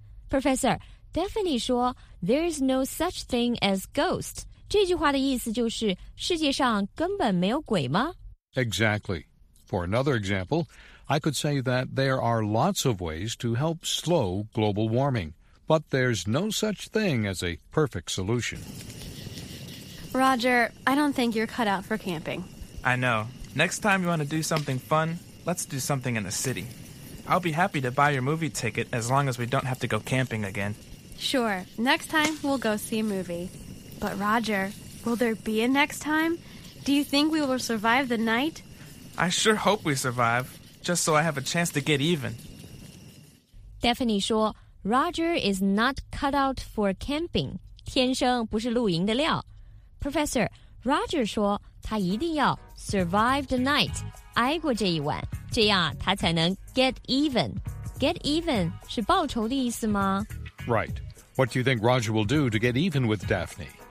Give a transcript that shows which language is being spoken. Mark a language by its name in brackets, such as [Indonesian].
[English] Professor, Daphne 说 there's no such thing as ghosts. [Chinese] 这句话的意思就是世界上根本没有鬼吗 [English] ?Exactly. For another example, I could say that there are lots of ways to help slow global warming, but there's no such thing as a perfect solution. Roger, I don't think you're cut out for camping. I know. Next time you want to do something fun, let's do something in the city. I'll be happy to buy your movie ticket as long as we don't have to go camping again. Sure. Next time, we'll go see a movie. But Roger, will there be a next time? Do you think we will survive the night? I sure hope we survive, just so I have a chance to get even. Daphne 说 Roger is not cut out for camping. [Chinese] 天生不是露营的料。 Professor, Roger 说他一定要 survive the night, 挨过这一晚。这样他才能 get even. Get even 是报仇的意思吗? [English] Right. What do you think Roger will do to get even with Daphne?